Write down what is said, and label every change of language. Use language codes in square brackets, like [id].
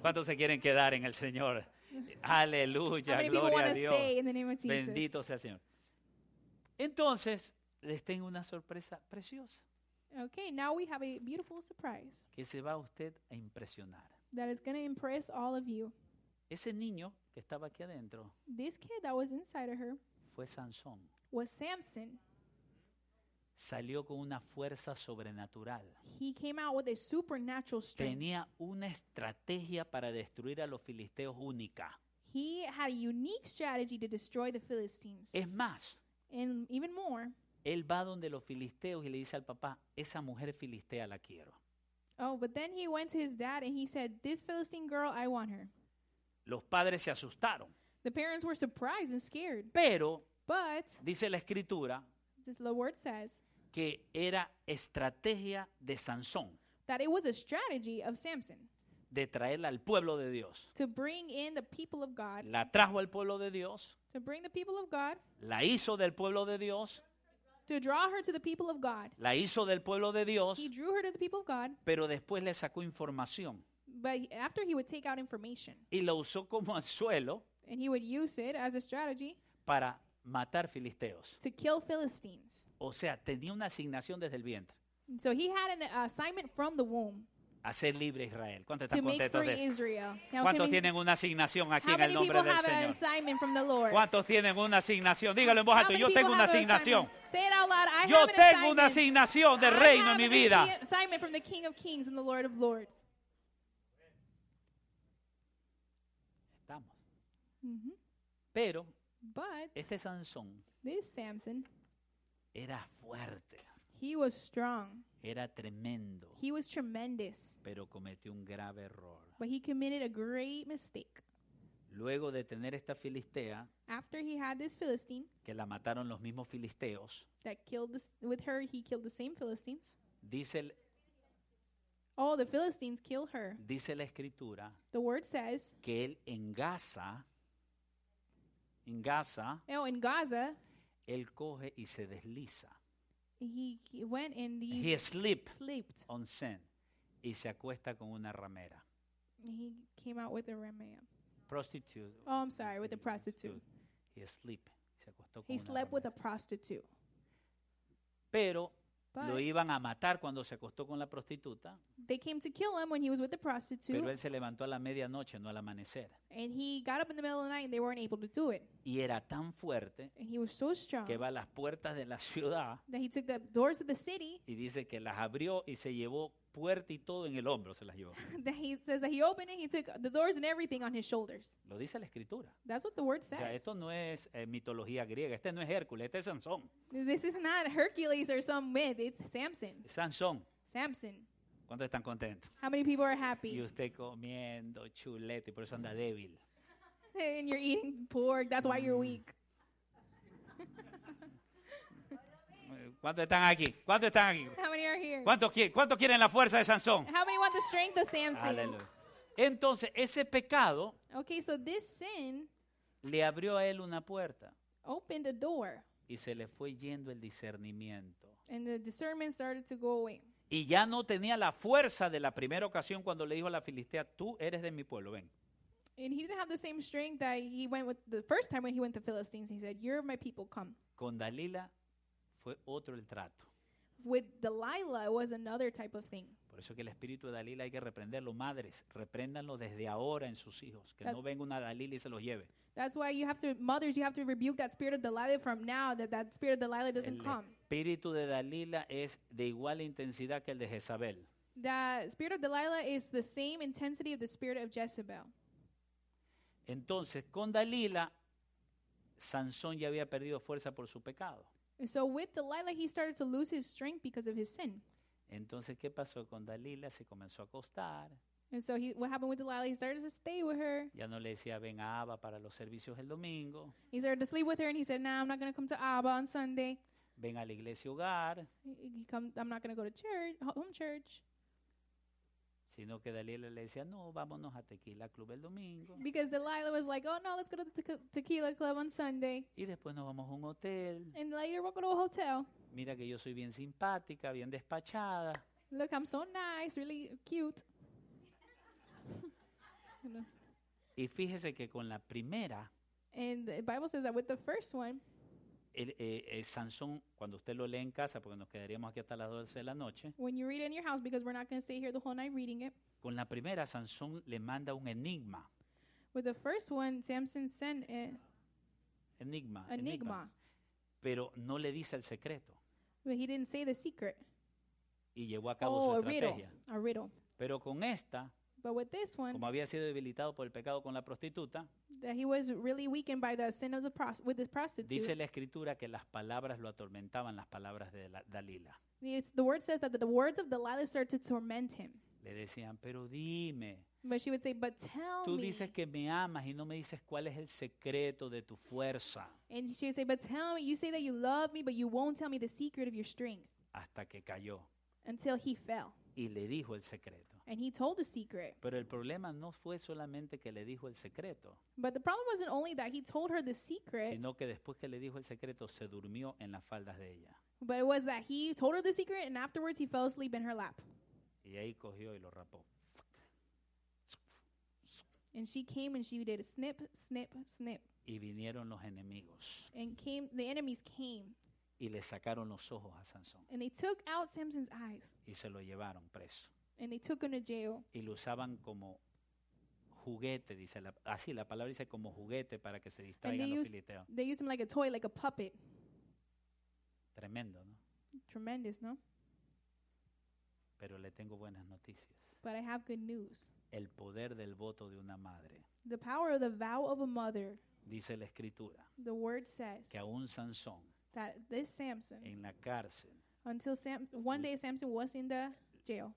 [es] ¿Cuántos se quieren quedar en el Señor? Aleluya, gloria a Dios. [en] Stay in the name of Jesus. [es] Bendito sea el Señor. Entonces, les tengo una sorpresa preciosa. [en] Okay, now we have a beautiful surprise. [es] Que se va usted a impresionar. [en] That is going to impress all of you. [es] Ese niño que estaba aquí adentro. [en] This kid that was inside of her. [es] Fue Sansón. [en] Was Samson. [es] Salió con una fuerza sobrenatural. [en] He came out with a supernatural strength. [es] Tenía una estrategia para destruir a los filisteos única. [en] He had a unique strategy to destroy the Philistines. [es] Es más. [en] And even more. [es] Él va donde los filisteos y le dice al papá, esa mujer filistea la quiero. [en] Oh, but then he went to his dad and he said, this Philistine girl, I want her. [es] Los padres se asustaron. [en] The parents were surprised and scared. [es] Pero, [en] but, [es] dice la escritura, [en] this, the word says, [es] que era estrategia de Sansón, [en] that it was a strategy of Samson, [es] de traerla al pueblo de Dios, [en] to bring in the people of God, [es] la trajo al pueblo de Dios, [en] to bring the people of God, [es] la hizo del pueblo de Dios, [en] to draw her to the people of God, [es] la hizo del pueblo de Dios, [en] he drew her to the people of God, [es] pero después le sacó información, [en] but after he would take out information, [es] y lo usó como anzuelo, [en] and he would use it as a strategy, [es] para matar filisteos. [en] To kill Philistines. [es] O sea, tenía una asignación desde el vientre. [en] So he had an assignment from the womb. [es] Hacer libre a Israel. ¿Cuántos están [en] to make [es] contentos [en] free Israel. [es] Now, ¿cuántos tienen una asignación aquí en el nombre del Señor? [en] How many people have an assignment from the Lord? [es] ¿Cuántos tienen una asignación? Dígalo en voz alta. Yo tengo una asignación. [en] Say it out loud. I [es] yo [en] have an [es] tengo [en] assignment. [es] Una asignación de [en] I [es] reino en mi vida. [en] I have an assignment from the King of Kings and the Lord of Lords. [es] Estamos. Mm-hmm. Pero [en] but [es] este Sansón, [en] this Samson, [es] era fuerte. [en] He was strong. [es] Era tremendo. [en] He was tremendous. [es] Pero cometió un grave error. [en] But he committed a great mistake. [es] Luego de tener esta filistea, [en] after he had this Philistine, [es] que la mataron los mismos filisteos, [en] that killed this, with her, he killed the same Philistines. [es] Dice el, [en] oh, the Philistines kill her. [es] Dice la escritura, [en] the word says, [es] que él en Gaza. En Gaza, [en] oh, in Gaza, [es] él coge y se desliza. [en] He went and he slipped on sand [es] y se acuesta con una ramera. [en] He came out with a ramera. Prostitute. Oh, I'm sorry, with a prostitute. He slept. [es] Se acostó con [en] he [es] una [en] slept [es] ramera. [en] With a prostitute. [es] Pero [en] but [es] lo iban a matar cuando se acostó con la prostituta. [en] They came to kill him when he was with the prostitute. [es] Pero él se levantó a la medianoche, no al amanecer. [en] And he got up in the middle of the night and they weren't able to do it. [es] Y era tan fuerte. [en] And he was so strong. [es] Que va a las puertas de la ciudad. [en] That he took the doors of the city. [es] Y dice que las abrió y se llevó puerta y todo en el hombro se las llevó. [en] He says that he opened it, he took the doors and everything on his shoulders. [es] Lo dice la escritura. [en] That's what the word says. [es] O sea, esto no es mitología griega, este no es Hércules, este es Sansón. [en] This is not Hercules or some myth, it's Samson. [es] Sansón. [en] Samson. [es] ¿Cuántos están contentos? [en] How many people are happy? [es] Y usted comiendo chulete, por eso anda débil. [en] And you're eating pork, that's why you're weak. [es] ¿Cuántos están aquí? ¿Cuántos están aquí? [en] How many are here? [es] ¿Cuántos quieren la fuerza de Sansón? [en] How many want the strength of Samson? [es] Aleluya. Entonces, ese pecado, [en] okay, so this sin [es] le abrió a él una puerta. [en] Opened a door. [es] Y se le fue yendo el discernimiento. [en] And the discernment started to go away. [es] Y ya no tenía la fuerza de la primera ocasión cuando le dijo a la filistea, tú eres de mi pueblo, ven. [en] And he didn't have the same strength that he went with the first time when he went to Philistines. He said, you're my people, come. [es] Con Dalila fue otro el trato. [en] With Delilah, it was another type of thing. [es] Por eso que el espíritu de Dalila hay que reprenderlo. Madres, repréndanlo desde ahora en sus hijos. Que no venga una Dalila y se los lleve. [en] That's why you have to, mothers, you have to rebuke that spirit of Delilah from now, that spirit of Delilah doesn't come. [es] El espíritu de Dalila es de igual intensidad que el de Jezabel. [en] The spirit of Delilah is the same intensity of the spirit of Jezebel. [es] Entonces, con Dalila, Sansón ya había perdido fuerza por su pecado. [en] So with Delilah, he started to lose his strength because of his sin. [es] Entonces, ¿qué pasó con Dalila? Se comenzó a acostar. [en] And so what happened with Delilah? He started to stay with her. [es] Ya no le decía, ven a Abba para los servicios el domingo. [en] He started to sleep with her and he said, nah, I'm not going to come to Abba on Sunday. [es] Ven a la iglesia hogar. [en] I'm not going to go to church, home church. [es] Sino que Dalila le decía, no, vámonos a Tequila Club el domingo. [en] Because Delilah was like, oh no, let's go to the Tequila Club on Sunday. [es] Y después nos vamos a un hotel. [en] And later we'll go to a hotel. [es] Mira que yo soy bien simpática, bien despachada. [en] Look, I'm so nice, really cute. [es] Y fíjese que con la primera. [en] And the Bible says that with the first one. [es] El Sansón, cuando usted lo lee en casa, porque nos quedaríamos aquí hasta las 12 de la noche. [en] When you read it in your house, because we're not going to stay here the whole night reading it. [es] Con la primera, Sansón le manda un enigma. [en] With the first one, Samson sent it. [es] Enigma. Enigma. Pero no le dice el secreto. [en] But he didn't say the secret. [es] Y llevó a cabo su estrategia. [en] A riddle. [es] Pero con esta. [en] But with this one, [es] como había sido debilitado por el pecado con la prostituta, [en] that he was really weakened by the sin of the with the prostitute. [es] Dice la escritura que las palabras lo atormentaban, las palabras de Dalila. [en] The word says that the words of Delilah started to torment him. [es] Le decían, pero dime. [en] But she would say, but tell [es] me. Tú dices que me amas y no me dices cuál es el secreto de tu fuerza. [en] And she would say, but tell me. You say that you love me, but you won't tell me the secret of your strength. [es] Hasta que cayó. [en] Until he fell. [es] Y le dijo el secreto. [en] And he told the secret. [es] Pero el problema no fue solamente que le dijo el secreto. [en] But the problem wasn't only that he told her the secret. [es] Sino que después que le dijo el secreto, se durmió en las faldas de ella. [en] But it was that he told her the secret and afterwards he fell asleep in her lap. [es] Y ahí cogió y lo rapó. [en] And she came and she did a snip, snip, snip. [es] Y vinieron los enemigos. [en] And came, the enemies came. [es] Y le sacaron los ojos a Sansón. [en] And they took out Samson's eyes. [es] Y se lo llevaron preso. [en] And they took him to jail. [es] Y lo usaban como juguete, dice la, así la palabra dice, como juguete para que se distraigan los filisteos. [en] They used him like a toy, like a puppet. [es] Tremendo, ¿no? [en] Tremendous, [es] ¿no? Pero le tengo buenas noticias. [en] But I have good news. [es] El poder del voto de una madre. [en] The power of the vow of a mother. [es] Dice la escritura. [en] The word says. [es] Que aún Sansón. [en] That this Samson. [es] En la cárcel. [en] Until one day Samson was in the jail.